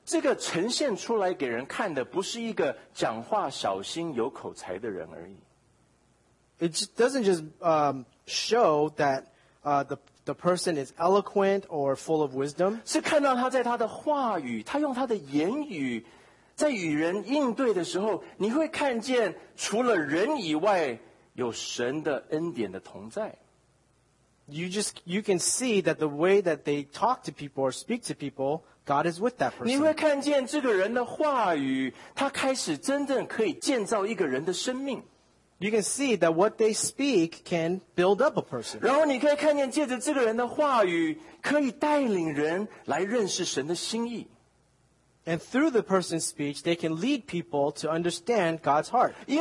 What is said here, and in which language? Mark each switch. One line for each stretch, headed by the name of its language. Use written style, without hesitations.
Chinese: 这个呈现出来给人看的不是一个讲话小心有口才的人而已。
English: It doesn't just show that the person is eloquent or full of wisdom.
Chinese: 是看到他在他的话语，他用他的言语，在与人应对的时候，你会看见除了人以外有神的恩典的同在。
English: You can see that the way that they talk to people or speak to people, God is with that person.
Chinese: 你会看见这个人的话语，他开始真正可以建造一个人的生命。
English: You can see that what they speak can build up a person.
Chinese: 然后你可以看见借着这个人的话语，可以带领人来认识神的心意。
English: And through the person's speech, they can lead people to understand God's heart.